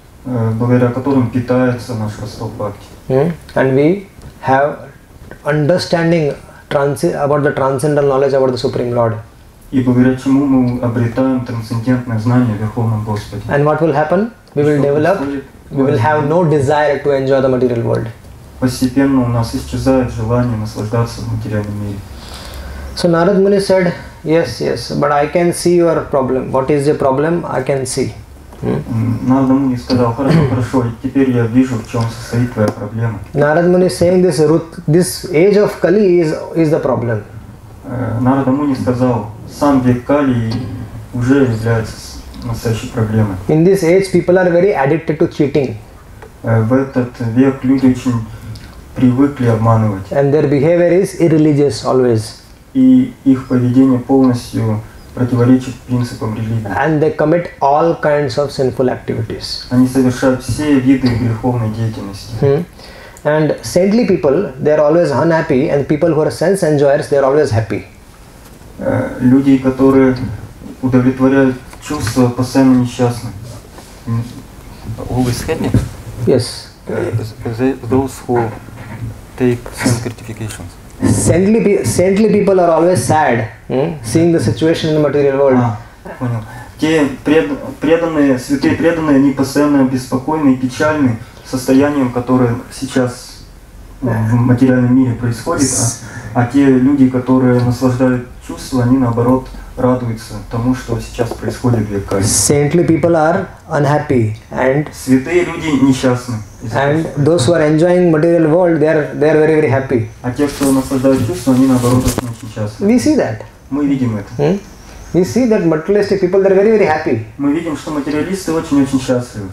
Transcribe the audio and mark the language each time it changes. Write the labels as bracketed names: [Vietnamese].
[Russian] Благодаря которым питается наш росток бхакти. [English] And we have understanding about the transcendental knowledge about the Supreme Lord. [Russian] И благодаря чему мы обретаем трансцендентное знание о Верховном Господе. [English] And what will happen? We will develop. We will have no desire to enjoy the material world. [Russian] Постепенно у нас исчезает желание наслаждаться материальным миром. [English] So Narad Muni said, "Yes, yes, but I can see your problem. What is your problem? I can see." [Russian] Narad Muni сказал, "Хорошо, хорошо. Теперь я вижу, в чем состоит твоя проблема." [English] Narad Muni saying this age of Kali is the problem. [Russian] Narad Muni сказал, сам век Кали уже является настоящей проблемой. [English] In this age, people are very addicted to cheating. [Russian] В этот век люди очень привыкли обманывать. [English] And their behavior is irreligious always. [Russian] И их поведение полностью противоречит принципам религии. [English] And they commit all kinds of sinful activities. [Russian] Они совершают все виды греховной деятельности. [English] And saintly people, they are always unhappy, and people who are sense enjoyers, they are always happy. [Russian] Люди, которые удовлетворяют чувства, постоянно несчастны. [English] Always happy? Yes. Those who take sense gratifications. Saintly people are always sad, seeing the situation in the material world. [Russian] Понял. Те преданные, святые преданные, они постоянно обеспокоены и печальны состоянием, которое сейчас в материальном мире происходит. А те люди, которые наслаждают чувства, они наоборот радуются тому, что сейчас происходит в век Кали. [English] Saintly people are unhappy and [Russian] святые люди несчастны. [English] And those who are enjoying material world, they are very very happy. [Russian] А те, кто наслаждают чувства, они наоборот очень несчастны. [English] We see that. [Russian] Мы видим это. [English] We see that materialistic people, they are very very happy. [Russian] Мы видим, что материалисты очень очень счастливы.